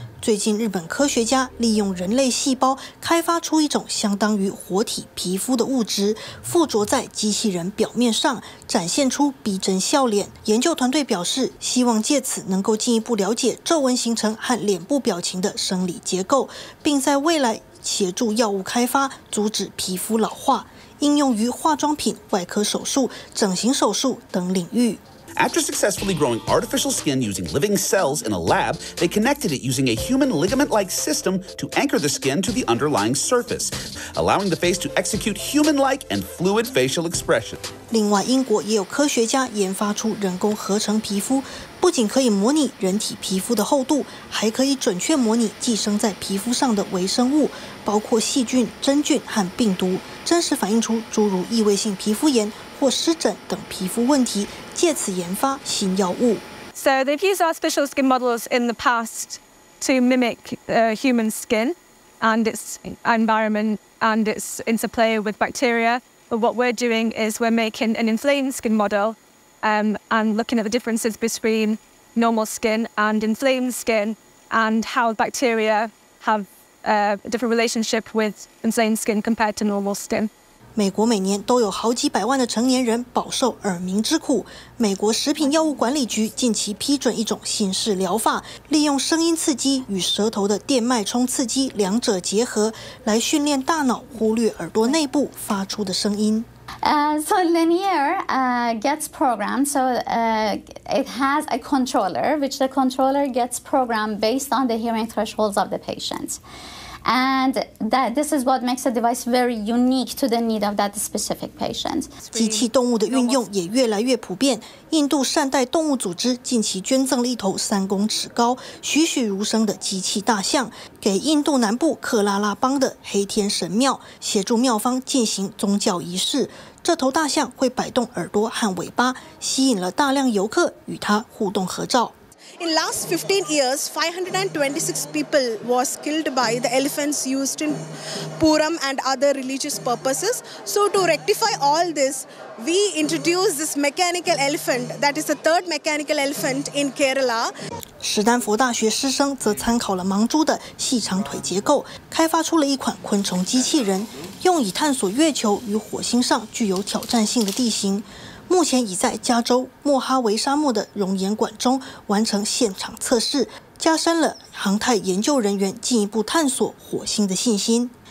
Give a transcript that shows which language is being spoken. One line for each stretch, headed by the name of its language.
Chinese: 最近，日本科学家利用人类细胞开发出一种相当于活体皮肤的物质，附着在机器人表面上，展现出逼真笑脸。研究团队表示，希望借此能够进一步了解皱纹形成和脸部表情的生理结构，并在未来协助药物开发，阻止皮肤老化，应用于化妆品、外科手术、整形手术等领域。
English: After successfully growing artificial skin using living cells in a lab, they connected it using a human ligament-like system to anchor the skin to the underlying surface, allowing the face to execute human-like and fluid facial expression.
Chinese: 另外，英国也有科学家研发出人工合成皮肤，不仅可以模拟人体皮肤的厚度，还可以准确模拟寄生在皮肤上的微生物，包括细菌、真菌和病毒，真实反映出诸如异位性皮肤炎或湿疹等皮肤问题，借此研发新药物。
English: So they've used artificial skin models in the past to mimic human skin and its environment and its interplay with bacteria. But what we're doing is we're making an inflamed skin model and looking at the differences between normal skin and inflamed skin and how bacteria have a different relationship with inflamed skin compared to normal skin.
Chinese: 美国每年都有好几百万的成年人饱受耳鸣之苦。美国食品药物管理局近期批准一种新式疗法，利用声音刺激与舌头的电脉冲刺激两者结合，来训练大脑忽略耳朵内部发出的声音。
English: So Lanier gets programmed. So it has a controller, which the controller gets programmed based on the hearing thresholds of the patient. And that this is what makes the device very unique to the need of that specific patient.
Chinese: 机器动物的运用也越来越普遍。印度善待动物组织近期捐赠了一头3公尺高、栩栩如生的机器大象，给印度南部克拉拉邦的黑天神庙，协助庙方进行宗教仪式。这头大象会摆动耳朵和尾巴，吸引了大量游客与它互动合照。
English: In last 15 years, 526 people was killed by the elephants used in Puram and other religious purposes. So to rectify all this, we introduced this mechanical elephant, that is the third mechanical elephant in Kerala.
Chinese: 史丹佛大学师生则参考了盲猪的细长腿结构，开发出了一款昆虫机器人，用以探索月球与火星上具有挑战性的地形。目前已在加州莫哈维沙漠的熔岩管中完成现场测试，加深了航太研究人员进一步探索火星的信心。